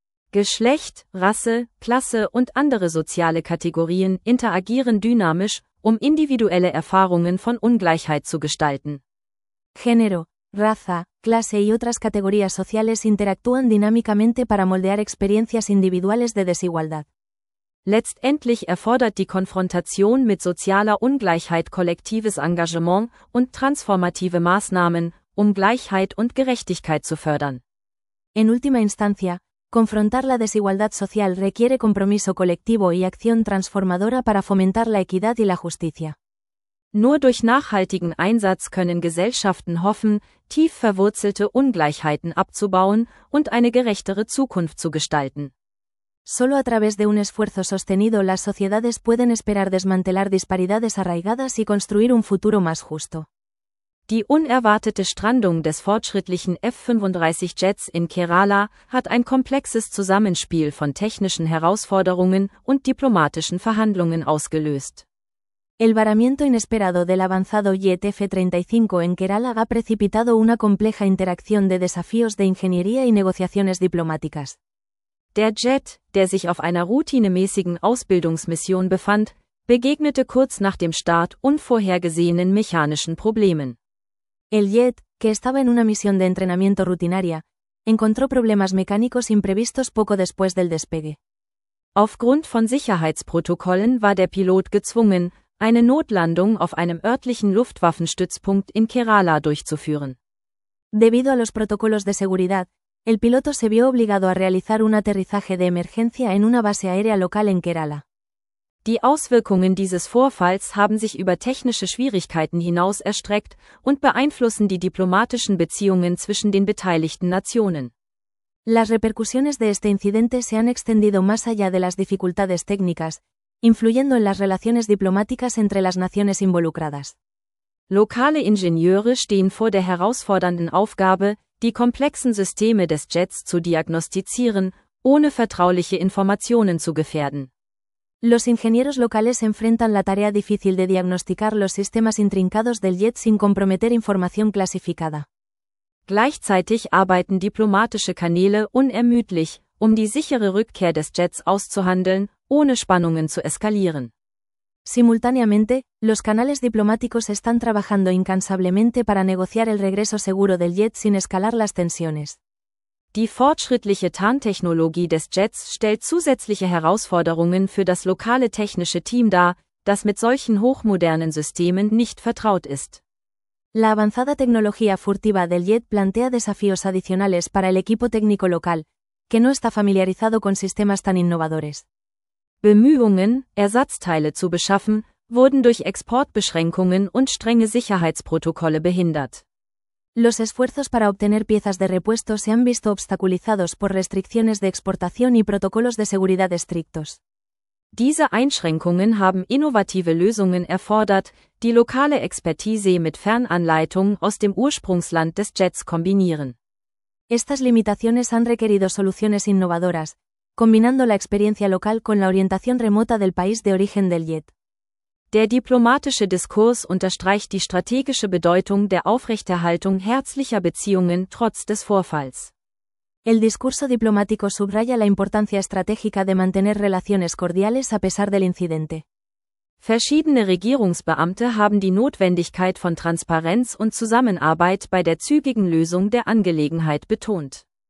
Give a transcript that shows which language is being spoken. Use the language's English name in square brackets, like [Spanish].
[German] Geschlecht, Rasse, Klasse und andere soziale Kategorien interagieren dynamisch, um individuelle Erfahrungen von Ungleichheit zu gestalten. [Spanish] Género, Raza, [German] Klasse [Spanish] y otras categorías sociales interactúan dinámicamente para moldear experiencias individuales de desigualdad. [German] Letztendlich erfordert die Konfrontation mit sozialer Ungleichheit kollektives Engagement und transformative Maßnahmen, um Gleichheit und Gerechtigkeit zu fördern. [Spanish] En última instancia, confrontar la desigualdad social requiere compromiso colectivo y acción transformadora para fomentar la equidad y la justicia. [German] Nur durch nachhaltigen Einsatz können Gesellschaften hoffen, tief verwurzelte Ungleichheiten abzubauen und eine gerechtere Zukunft zu gestalten. [Spanish] Solo a través de un esfuerzo sostenido las sociedades pueden esperar desmantelar disparidades arraigadas y construir un futuro más justo. [German] Die unerwartete Strandung des fortschrittlichen F-35 Jets in Kerala hat ein komplexes Zusammenspiel von technischen Herausforderungen und diplomatischen Verhandlungen ausgelöst. [Spanish] El varamiento inesperado del avanzado Jet F-35 en Kerala ha precipitado una compleja interacción de desafíos de ingeniería y negociaciones diplomáticas. [German] Der Jet, der sich auf einer routinemäßigen Ausbildungsmission befand, begegnete kurz nach dem Start unvorhergesehenen mechanischen Problemen. [Spanish] El Jet, que estaba en una misión de entrenamiento rutinaria, encontró problemas mecánicos imprevistos poco después del despegue. [German] Aufgrund von Sicherheitsprotokollen war der Pilot gezwungen, eine Notlandung auf einem örtlichen Luftwaffenstützpunkt in Kerala durchzuführen. [Spanish] Debido a los protocolos de seguridad, el piloto se vio obligado a realizar un aterrizaje de emergencia en una base aérea local en Kerala. [German] Die Auswirkungen dieses Vorfalls haben sich über technische Schwierigkeiten hinaus erstreckt und beeinflussen die diplomatischen Beziehungen zwischen den beteiligten Nationen. [Spanish] Las repercusiones de este incidente se han extendido más allá de las dificultades técnicas, influyendo en las relaciones diplomáticas entre las naciones involucradas. [German] Lokale Ingenieure stehen vor der herausfordernden Aufgabe, die komplexen Systeme des Jets zu diagnostizieren, ohne vertrauliche Informationen zu gefährden. [Spanish] Los ingenieros locales enfrentan la tarea difícil de diagnosticar los sistemas intrincados del Jet sin comprometer información clasificada. [German] Gleichzeitig arbeiten diplomatische Kanäle unermüdlich, um die sichere Rückkehr des Jets auszuhandeln, ohne Spannungen zu eskalieren. [Spanish] Simultáneamente, los canales diplomáticos están trabajando incansablemente para negociar el regreso seguro del Jet sin escalar las tensiones. [German] Die fortschrittliche Tarntechnologie des Jets stellt zusätzliche Herausforderungen für das lokale technische Team dar, das mit solchen hochmodernen Systemen nicht vertraut ist. [Spanish] La avanzada tecnología furtiva del Jet plantea desafíos adicionales para el equipo técnico local, que no está familiarizado con sistemas tan innovadores. [German] Bemühungen, Ersatzteile zu beschaffen, wurden durch Exportbeschränkungen und strenge Sicherheitsprotokolle behindert. [Spanish] Los esfuerzos para obtener piezas de repuesto se han visto obstaculizados por restricciones de exportación y protocolos de seguridad estrictos. [German] Diese Einschränkungen haben innovative Lösungen erfordert, die lokale Expertise mit Fernanleitung aus dem Ursprungsland des Jets kombinieren. [Spanish] Estas limitaciones han requerido soluciones innovadoras, combinando la experiencia local con la orientación remota del país de origen del Jet. [German] Der diplomatische Diskurs unterstreicht die strategische Bedeutung der Aufrechterhaltung herzlicher Beziehungen trotz des Vorfalls. [Spanish] El discurso diplomático subraya la importancia estratégica de mantener relaciones cordiales a pesar del incidente. [German] Verschiedene Regierungsbeamte haben die Notwendigkeit von Transparenz und Zusammenarbeit bei der zügigen Lösung der Angelegenheit betont.